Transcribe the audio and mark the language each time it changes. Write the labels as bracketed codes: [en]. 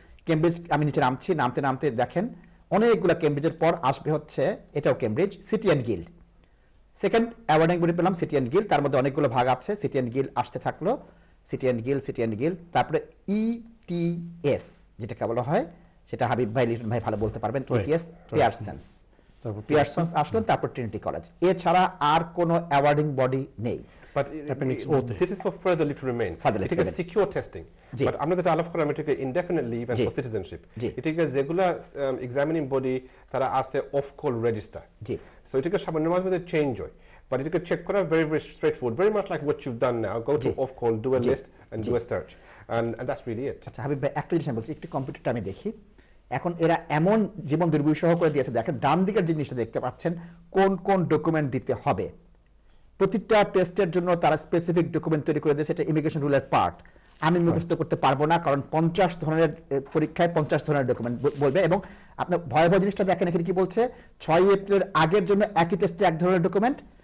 [bn] Cambridge আমি নিচে নামছি, নামতে নামতে দেখেন অনেকগুলো কেমব্রিজের পর আসবে হচ্ছে, এটাও Cambridge, city and guild, second awarding body পেলাম সিটি অ্যান্ড গিল্ড, তার মধ্যে অনেকগুলো ভাগ আছে, সিটি অ্যান্ড গিল্ড আসতে থাকলো, city and guild, city and guild, তারপরে ইটিএস যেটাকে বলা হয়, সেটা হাবিব ভাই লিটন ভাই ভালো বলতে পারবেন, ইটিএস পিয়ারসেন্স, তারপর পিয়ারসন আসলেন, তারপর ট্রিনিটি কলেজ, এছাড়া আর কোনো অ্যাওয়ার্ডিং বডি নেই। [en] But this is for further leave to remain. It's a secure testing. But under the Talaf Quran, it's indefinite leave and for citizenship. It's a regular examining body that has an off-call register. So it's a change. But it's a check very, very straightforward, very much like what you've done now. Go to off-call, do a list, and do a search. And that's really it. [bn] এখন এরা এমন জীবন দুর্বিষহ করে দিয়েছে দেখেন ডান দিকের জিনিসটা দেখতে পাচ্ছেন কোন কোন ডকুমেন্ট দিতে হবে প্রতিটা টেস্টের জন্য তারা স্পেসিফিক ডকুমেন্ট তৈরি করে দিয়েছে এটা ইমিগ্রেশন রুলের পার্ট আমি মুখস্থ করতে পারবো না কারণ 50 ধরনের পরীক্ষায় 50 ধরনের ডকুমেন্ট বলবে এবং আপনি ভয় ভয় জিনিসটা দেখেন এখানে কি বলছে 6 এপ্রিলের আগের জন্য একই টেস্টে এক ধরনের ডকুমেন্ট